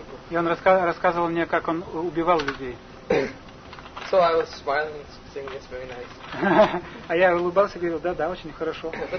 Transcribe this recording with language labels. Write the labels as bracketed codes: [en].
[ru] И он рассказывал мне, как он убивал людей. [en] So I was smiling, saying it's very nice. [ru] А я улыбался и говорил: да, очень хорошо.